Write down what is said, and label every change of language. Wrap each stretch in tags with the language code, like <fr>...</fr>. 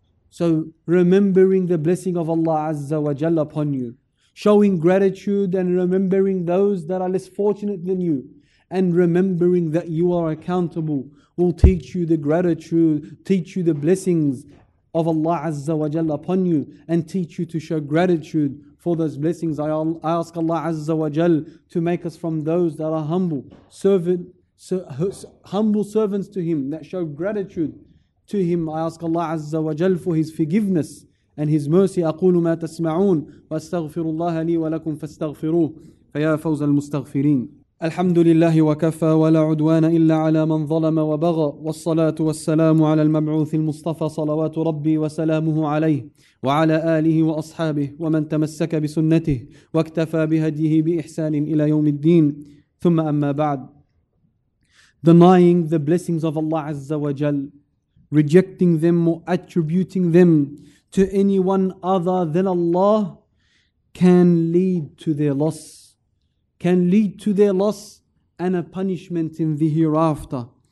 <en>So remembering the blessing of Allah Azza wa Jalla upon you, showing gratitude and remembering those that are less fortunate than you, and remembering that you are accountable, will teach you the gratitude, teach you the blessings of Allah Azza wa Jalla upon you, and teach you to show gratitude for those blessings. I ask Allah Azza wa Jalla to make us from those that are humble servants to Him, that show gratitude to Him. I ask Allah Azza wa Jalla for His forgiveness and His mercy.</en> <ar>أقول ما تسمعون واستغفر الله لي ولكم فاستغفروه فيا فوز المستغفرين. الحمد لله وكفى ولا عدوان إلا على من ظلم وبغى والصلاة والسلام على المبعوث المصطفى صلوات ربي وسلامه عليه وعلى آله وأصحابه ومن تمسك بسنته واكتفى بهديه بإحسان إلى يوم الدين. ثم أما بعد.</ar> <en>Denying the blessings of Allah Azza wa Jal, rejecting them or attributing them to anyone other than Allah can lead to their loss. Can lead to their loss and a punishment in the hereafter.</en>